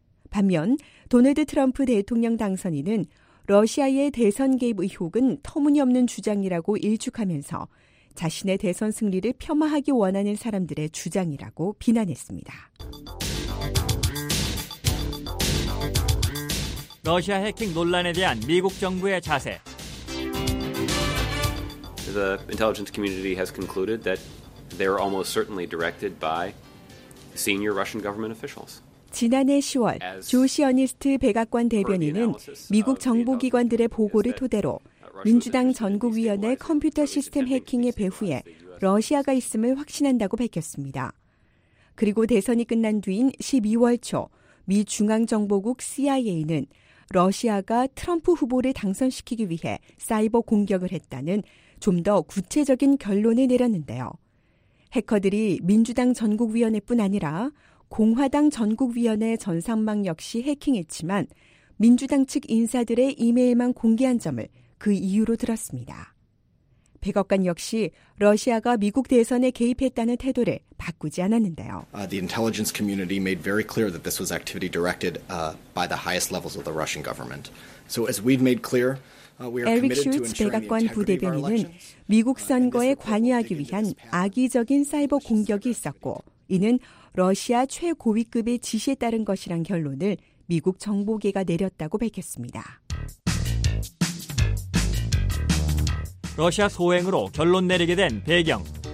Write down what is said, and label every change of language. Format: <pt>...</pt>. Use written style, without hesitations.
<ko>반면 도널드 트럼프 대통령 당선인은 러시아의 대선 개입 의혹은 터무니없는 주장이라고 일축하면서 자신의 대선 승리를 폄하하기 원하는 사람들의 주장이라고 비난했습니다. 러시아 해킹 논란에 대한 미국 정부의 자세.</ko> <en>the intelligence community has concluded that they're almost certainly directed by senior Russian government officials.</en> <ko>지난해 10월 조 시어니스트 백악관 대변인은 미국 정보기관들의 보고를 토대로 민주당 전국위원회 컴퓨터 시스템 해킹의 배후에 러시아가 있음을 확신한다고 밝혔습니다. 그리고 대선이 끝난 뒤인 12월 초 미 중앙정보국 CIA는 러시아가 트럼프 후보를 당선시키기 위해 사이버 공격을 했다는 좀 더 구체적인 결론을 내렸는데요. 해커들이 민주당 전국위원회뿐 아니라 공화당 전국위원회 전산망 역시 해킹했지만 민주당 측 인사들의 이메일만 공개한 점을 그 이유로 들었습니다. 백악관 역시 러시아가 미국 대선에 개입했다는 태도를 바꾸지 않았는데요.</ko> <en>The intelligence community made very clear that this was activity directed by the highest levels of the Russian government. So as we've made clear, we are committed to ensuring the integrity of our elections.</en> <ko>에릭 슐츠 백악관 미국 선거에 관여하기 위한 악의적인 사이버 공격이 있었고 이는 러시아 최고위급의 지시에 따른 것이란 결론을 미국 정보계가 내렸다고 밝혔습니다. 러시아 소행으로 결론 내리게 된 배경.</ko>